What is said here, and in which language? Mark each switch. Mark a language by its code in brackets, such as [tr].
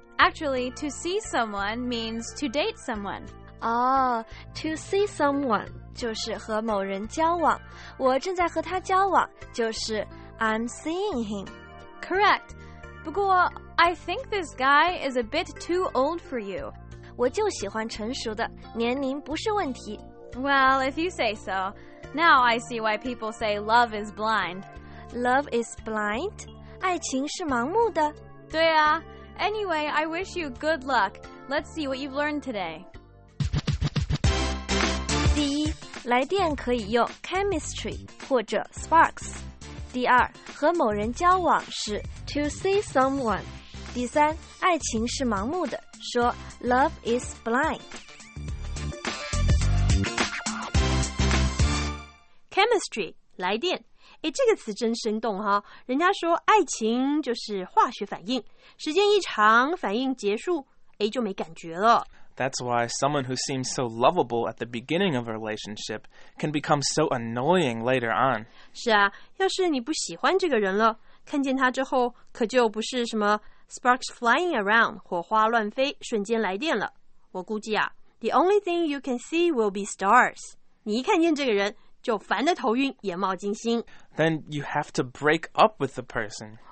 [en] Actually, to see someone means to date someone. Oh, to see someone, [zh] 就是和某人交往。我正在和他交往,就是 [en] I'm seeing him. Correct. [zh] 不过 [en] I think this guy is a bit too old for you. [zh] 我就喜欢成熟的，年龄不是问题。 [en] Well, if you say so. Now I see why people say love is blind. Love is blind? [zh] 爱情是盲目的。对啊。 [en] Anyway, I wish you good luck. Let's see what you've learned today. [zh] 第一，来电可以用 chemistry 或者 sparks。第二，和某人交往是 to see someone。第三，爱情是盲目的，说 [en] love is blind。 [zh] Chemistry 来电，哎，这个词真生动哈！人家说爱情就是化学反应，时间一长，反应结束，哎，就没感觉了。 [en] That's why someone who seems so lovable at the beginning of a relationship can become so annoying later on. [zh] 是啊，要是你不喜欢这个人了，看见他之后可就不是什么 [en] sparks flying around, [zh] 火花乱飞，瞬间来电了。我估计啊， [en] the only thing you can see will be stars. [zh] 你一看见这个人就烦得头晕，眼冒金星。 [en] Then you have to break up with the person.